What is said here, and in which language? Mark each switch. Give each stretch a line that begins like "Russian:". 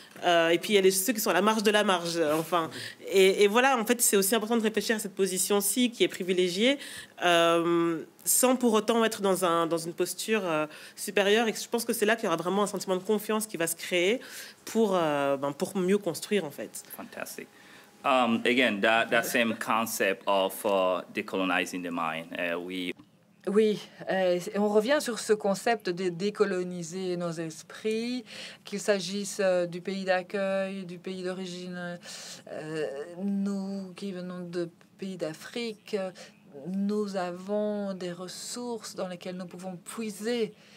French: Et puis il y a ceux qui sont à la marge de la marge. Et voilà, en fait, c'est aussi important de réfléchir à cette position-ci qui est privilégiée, sans pour autant être dans une posture supérieure. Et je pense que c'est là qu'il y aura vraiment un sentiment de confiance qui va se créer pour mieux construire, en fait. Fantastique.
English: Again, that same concept of decolonizing the mind.
French: Et on revient sur ce concept de décoloniser nos esprits, qu'il s'agisse du pays d'accueil, du pays d'origine, nous qui venons de pays d'Afrique, nous avons des ressources dans lesquelles nous pouvons puiser.